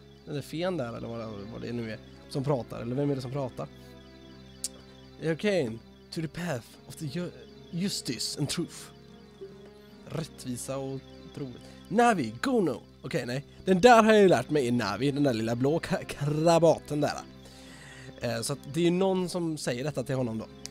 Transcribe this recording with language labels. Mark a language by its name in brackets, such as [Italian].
[Swedish] Den där fen där, eller vad det nu är som pratar, eller vem är det som pratar? [English] Okay, to the path of the justice and truth. [Swedish] Rättvisa och troligt. Navi, [English] go now! [Swedish] Okay, nej. Den där har jag ju lärt mig i Navi, den där lilla blå krabaten där. Så att det är någon som säger detta till honom då.